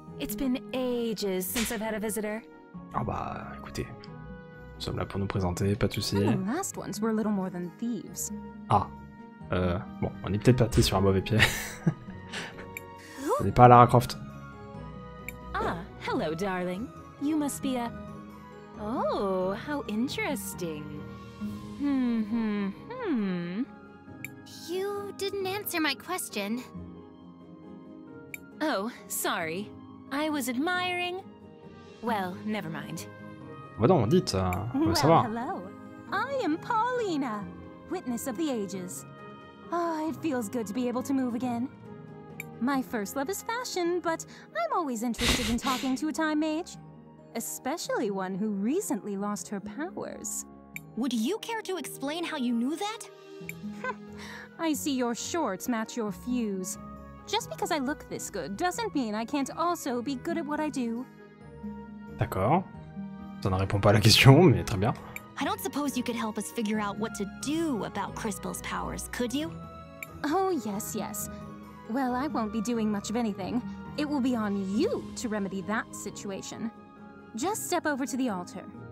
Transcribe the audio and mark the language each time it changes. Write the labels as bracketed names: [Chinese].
[English] It's been ages since I've had a visitor. [French] Ah bah, écoutez, nous sommes là pour nous présenter, pas de soucis. The last ones were a little more than thieves. Ah, bon, on est peut-être parti sur un mauvais pied. On n'est pas à Lara Croft. [English] Ah, hello, darling. You must be a... Oh, how interesting. You didn't answer my question. Oh, sorry. I was admiring... Well, never mind. [French] Bah non, dites, [English] well, [French] ça va. [English] Hello. I am Paulina, witness of the ages. Oh, it feels good to be able to move again. My first love is fashion, but I'm always interested in talking to a time mage. Especially one who recently lost her powers. Would you care to explain how you knew that? I see your shorts match your fuse. Just because I look this good doesn't mean I can't also be good at what I do. [French] D'accord. Ça ne répond pas à la question, mais très bien. [English] I don't suppose you could help us figure out what to do about Crispel's powers, could you? Oh, yes, yes. Well, I won't be doing much of anything. It will be on you to remedy that situation. Just step over to the altar.